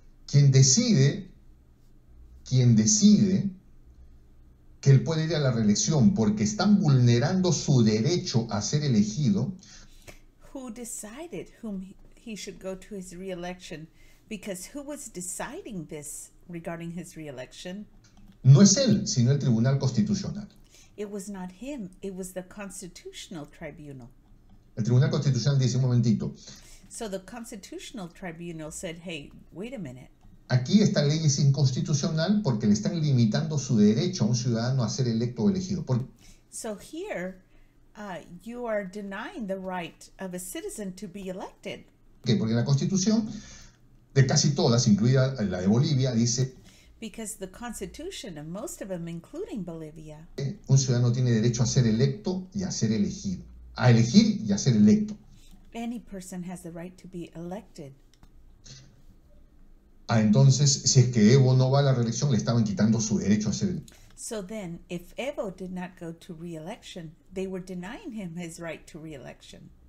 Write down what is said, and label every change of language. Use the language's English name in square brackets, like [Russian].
[Spanish] Quien decide que él puede ir a la reelección porque están vulnerando su derecho a ser elegido. [English] Who decided whom he should go to his re-election? Because who was deciding this regarding his re-election? [Spanish] No es él, sino el Tribunal Constitucional. [English] It was not him, it was the Constitutional Tribunal. [Spanish] El Tribunal Constitucional dice, un momentito. [English] So the Constitutional Tribunal said, hey, wait a minute. [Spanish] Aquí esta ley es inconstitucional porque le están limitando su derecho a un ciudadano a ser electo o elegido. [English] So here, you are denying the right of a citizen to be elected. [Spanish] ¿Qué? Porque la Constitución de casi todas, incluida la de Bolivia, dice [English] because the constitution of most of them, including Bolivia, [Spanish] un ciudadano tiene derecho a ser electo y a ser elegido. A elegir y a ser electo. [English] Any person has the right to be elected. [Spanish] Ah, entonces, si es que Evo no va a la reelección, le estaban quitando su derecho a ser electo. [English] So then, if Evo did not go to re-election, they were denying him his right to re-election.